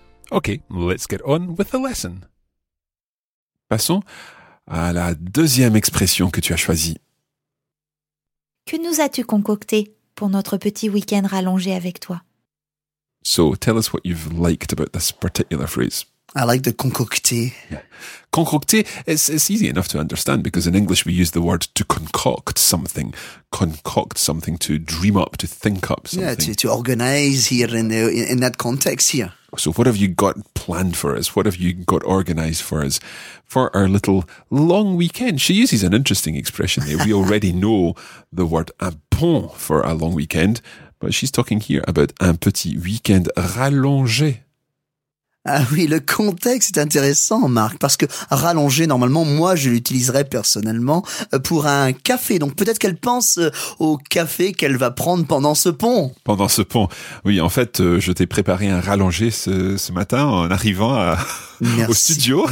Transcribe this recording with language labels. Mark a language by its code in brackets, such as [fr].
[en] Okay, let's get on with the lesson. [fr] Passons à la deuxième expression que tu as choisie. Que nous as-tu concocté pour notre petit week-end rallongé avec toi? [en] So, tell us what you've liked about this particular phrase. I like the concocté. Yeah. Concocté, it's easy enough to understand because in English we use the word to concoct something, to dream up, to think up something. Yeah, to organize here in that context here. So, what have you got planned for us? What have you got organized for us for our little long weekend? She uses an interesting expression there. We already know the word un bon for a long weekend. But she's talking here about [fr] un petit week-end rallongé. Ah oui, le contexte est intéressant, Marc, parce que rallongé, normalement, moi, je l'utiliserais personnellement pour un café. Donc peut-être qu'elle pense au café qu'elle va prendre pendant ce pont. Pendant ce pont. Oui, en fait, je t'ai préparé un rallongé ce matin en arrivant au studio.